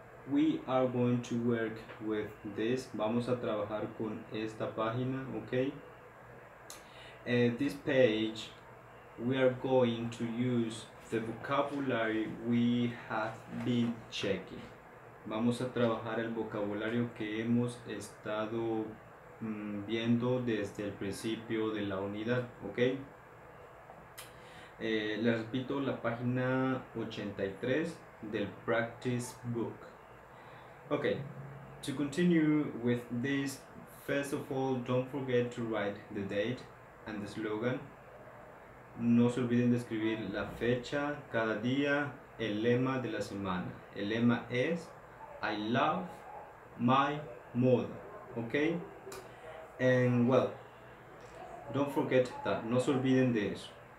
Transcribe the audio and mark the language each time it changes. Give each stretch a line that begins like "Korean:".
English: We are going to work with this.
Spanish: Vamos a trabajar con esta página,
English: okay? This page, we are going to use the vocabulary we have been checking.
Spanish: Vamos a trabajar el vocabulario que hemos estado viendo desde el principio de la unidad, okay? Les repito, la página 83 del practice book.
English: Okay, to continue with this, first of all, don't forget to write the date and the slogan.
Spanish: No se olviden de escribir la fecha, cada día, el lema de la semana. El lema es
English: I love my mother.
Spanish: Okay?
English: And well, don't forget that.
Spanish: No se olviden de eso.